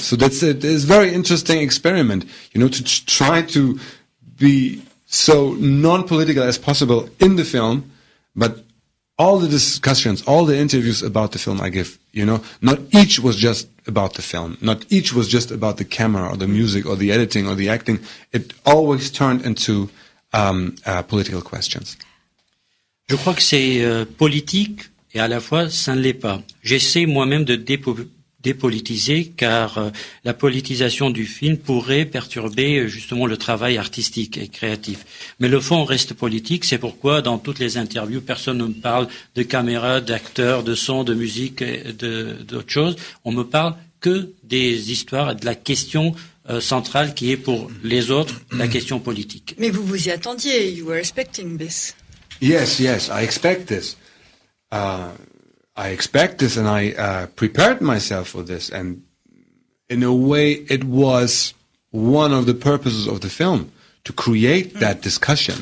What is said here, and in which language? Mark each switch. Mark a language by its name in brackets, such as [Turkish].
[English] So that's it's a very interesting experiment, you know, to try to be so non-political as possible in the film, but all the discussions, all the interviews about the film I give, you know, not each was just about the film, not each was just about the camera or the music or the editing or the acting. It always turned into political questions. [French] Je crois que c'est politique et à la fois ça ne l'est pas. J'essaie moi-même de dépolitisé, car la politisation du film pourrait perturber justement le travail artistique et créatif. Mais le fond reste politique, c'est pourquoi dans toutes les interviews, personne ne me parle de caméra, d'acteur, de son, de musique, d'autres choses. On me parle que des histoires, de la question centrale qui est pour les autres, la question politique. Mais vous vous y attendiez, [English] you were expecting this. Yes, yes, I expect this. I expect this, and I prepared myself for this, and in a way, it was one of the purposes of the film to create that discussion.